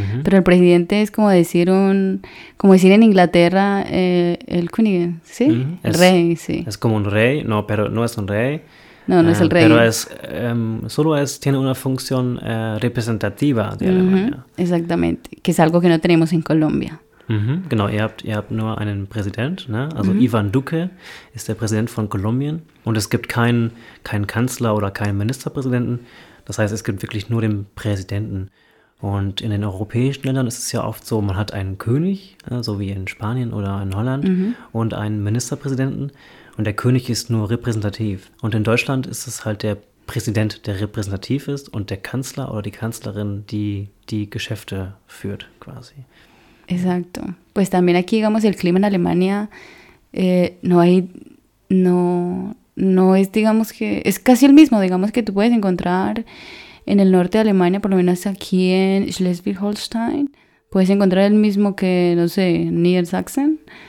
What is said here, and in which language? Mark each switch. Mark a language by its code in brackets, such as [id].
[es] Pero el presidente es como decir en Inglaterra el König, ¿sí? El Es rey, sí. como un rey, no, pero no es un rey, No, no es el pero rey. es solo es tiene una función representativa de Alemania. Exactamente, que es algo que no tenemos en Colombia. [de] Genau, ihr habt nur einen Präsident, ne? Also Iván Duque ist der Präsident von Kolumbien und es gibt keinen Kanzler oder keinen Ministerpräsidenten. Das heißt, es gibt wirklich nur den Präsidenten. Und in den europäischen Ländern ist es ja oft so, man hat einen König, so also wie in Spanien oder in Holland, und einen Ministerpräsidenten. Und der König ist nur repräsentativ. Und in Deutschland ist es halt der Präsident, der repräsentativ ist, und der Kanzler oder die Kanzlerin, die die Geschäfte führt, quasi. [es] Exacto. Pues también aquí, digamos, el clima en Alemania no hay, no, no es, digamos que, es casi el mismo, digamos que tú puedes encontrar en el norte de Alemania, por lo menos aquí en Schleswig-Holstein, puedes encontrar el mismo que, no sé, Niedersachsen.